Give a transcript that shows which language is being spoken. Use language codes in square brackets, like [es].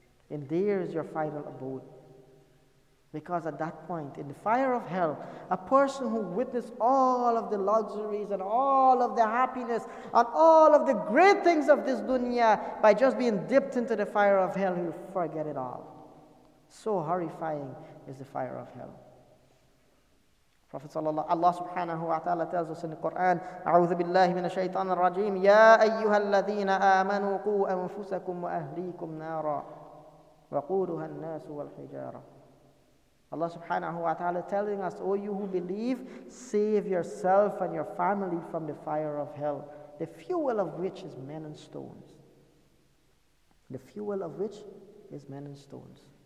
[en] In there is your final abode. Because at that point, in the fire of hell, a person who witnessed all of the luxuries and all of the happiness and all of the great things of this dunya, by just being dipped into the fire of hell, he'll forget it all. So horrifying is the fire of hell. Prophet sallallahu alaihi wasallam, Allah subhanahu wa ta'ala tells us in the Quran, [ar] أعوذ بالله من الشيطان الرجيم يا أيها الذين آمنوا قوا أنفسكم وأهليكم نارا وقودها الناس والحجارة. [en] Allah subhanahu wa ta'ala telling us, O you who believe, save yourself and your family from the fire of hell, the fuel of which is men and stones. The fuel of which is men and stones.